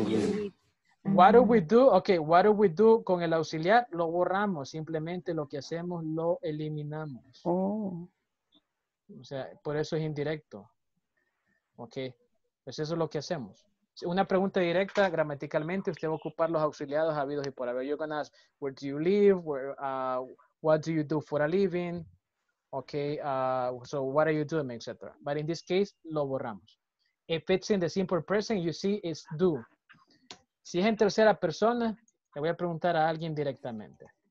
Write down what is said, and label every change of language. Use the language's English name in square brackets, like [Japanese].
[English] you live. What do we do? Okay, what do we do [Spanish] con el auxiliar? Lo borramos. Simplemente lo que hacemos lo eliminamos. Oh. O sea, por eso es indirecto. Ok. Pues eso es lo que hacemos. Una pregunta directa, gramaticalmente, usted va a ocupar los auxiliados habidos y por haber. [English] You're going to ask, where do you live? Where, what do you do for a living? Okay, so what are you doing, etc. But in this case, [Spanish] lo borramos. [English] If it's in the simple present, you see it's do. [Spanish] Si es en tercera persona, le voy a preguntar a alguien directamente.